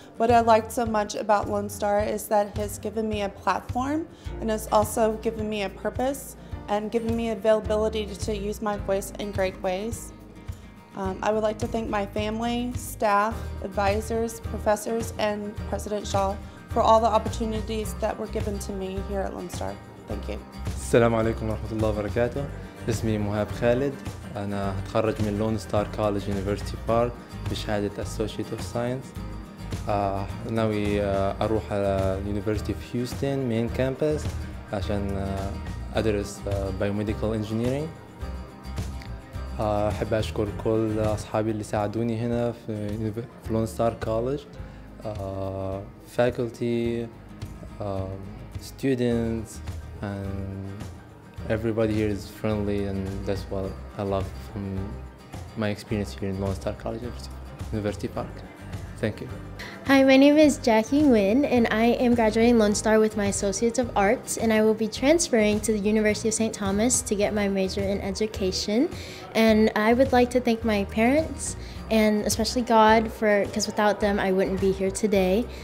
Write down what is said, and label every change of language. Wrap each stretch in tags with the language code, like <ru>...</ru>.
<en>What I liked so much about Lone Star is that it has given me a platform and has also given me a purpose and giving me availability to use my voice in great ways. I would like to thank my family, staff, advisors, professors, and President Shaw for all the opportunities that were given to me here at Lone Star. Thank you.</en> <ar>Assalamu alaikum wa rahmatullahi wa barakatuh. اسمي مهاب خالد انا اتخرج من لون ستار كوليدج يونيفرسيتي بارك بشهاده اسوشيت اوف ساينس ناوي اروح على اليونيفرسيتي اوف هيوستن مين كامبس عشان ادرس بايوميديكال انجينيرينج احب اشكر كل اصحابي اللي ساعدوني هنا في لون ستار كوليدج فاكولتي ستودنتس اند</ar> <en>Everybody here is friendly, and that's what I love from my experience here in Lone Star College, University Park. Thank you. Hi, my name is Jackie Nguyen, and I am graduating Lone Star with my Associates of Arts, and I will be transferring to the University of St. Thomas to get my major in education. And I would like to thank my parents, and especially God, because without them, I wouldn't be here today.</en>